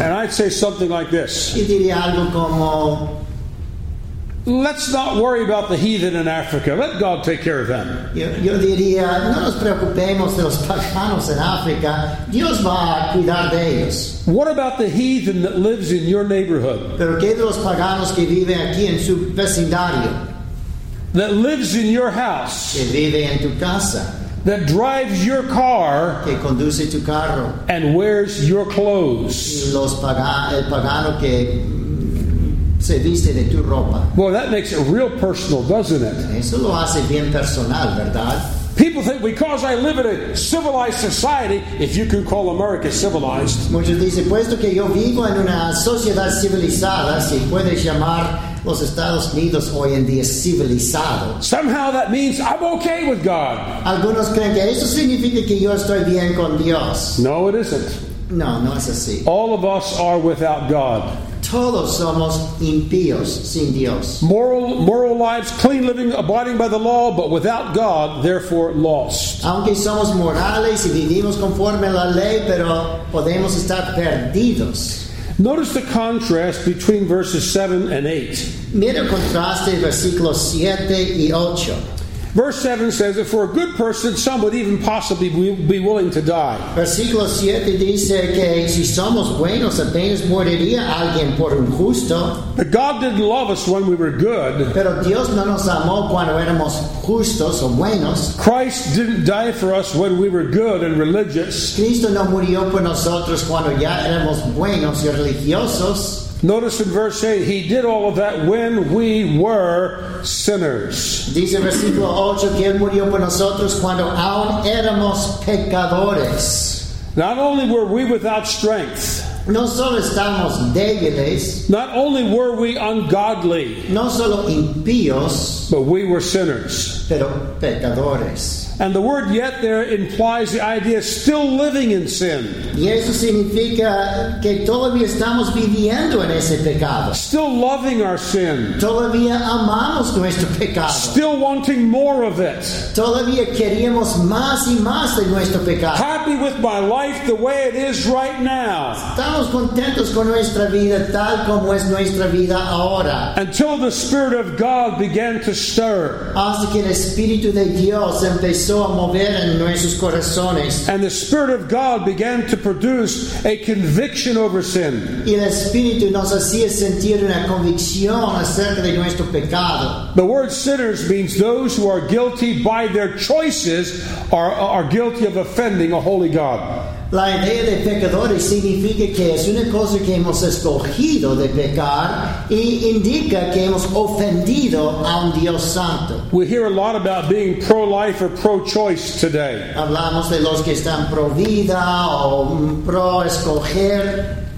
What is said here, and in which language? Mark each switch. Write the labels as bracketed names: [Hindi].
[English] And I'd say something like this. [Spanish] Y diría algo como, [English] let's not worry about the heathen in Africa. Let God take care of them. [Spanish] Yo diría, no nos preocupemos de los paganos en África. Dios va a cuidar de ellos. [English] What about the heathen that lives in your neighborhood? [Spanish] Pero qué de los paganos que viven aquí en su vecindario? [English] That lives in your house. [Spanish] Que vive en tu casa. [English] That drives your car. [Spanish] Que conduce tu carro. [English] And wears your clothes. [Spanish] Los pagano que se viste de tu ropa. [English] Well, that makes it real personal, doesn't it? [Spanish] Eso lo hace bien personal, ¿verdad? [English] People think, because I live in a civilized society, if you can call America civilized. [Spanish] Muchos dicen, puesto que yo vivo en una sociedad civilizada, si puedes llamar los Estados Unidos hoy en día civilizado. [English] Somehow that means I'm okay with God. [Spanish] Algunos creen que eso significa que yo estoy bien con Dios. [English] No, it isn't. [Spanish] No, no es así. [English] All of us are without God. [Spanish] Todos somos impíos sin Dios. [English] Moral lives, clean living, abiding by the law, but without God, therefore lost. [Spanish] Aunque somos morales y vivimos conforme a la ley, pero podemos estar perdidos. [English] Notice the contrast between verses 7 and 8. [Spanish] Mira el contraste de versículos 7 y 8. [English] Verse 7 says that for a good person, some would even possibly be willing to die. [Spanish] Versículo 7 dice que si somos buenos, apenas moriría alguien por un justo. [English] But God didn't love us when we were good. [Spanish] Pero Dios no nos amó cuando éramos justos o buenos. [English] Christ didn't die for us when we were good and religious. [Spanish] Cristo no murió por nosotros cuando ya éramos buenos y religiosos. [English] Notice in verse 8, he did all of that when we were sinners. [Spanish] Dice el versículo 8 que él murió por nosotros cuando aún éramos pecadores. [English] Not only were we without strength. [Spanish] No solo estamos débiles. [English] Not only were we ungodly. [Spanish] No solo impíos. [English] But we were sinners. [Spanish] Pero pecadores. [English] And the word yet there implies the idea of still living in sin. [Spanish] Y eso significa que todavía estamos viviendo en ese pecado. [English] Still loving our sin. [Spanish] Todavía amamos nuestro pecado. [English] Still wanting more of it. [Spanish] Todavía queríamos más y más de nuestro pecado. [English] Happy with my life the way it is right now. [Spanish] Estamos contentos con nuestra vida tal como es nuestra vida ahora. [English] Until the Spirit of God began to stir. [Spanish] Hasta que el Espíritu de Dios empezó a mover en nuestros corazones. [English] And the Spirit of God began to produce a conviction over sin. [Spanish] Y el Espíritu nos hacía sentir una convicción acerca de nuestro pecado. [English] The word sinners means those who are guilty by their choices are guilty of offending a holy God. [Spanish] La idea de pecadores significa que es una cosa que hemos escogido de pecar y indica que hemos ofendido a un Dios santo. [English] We hear a lot about being pro-life or pro-choice today. [Spanish] Hablamos de los que están pro vida o pro escoger.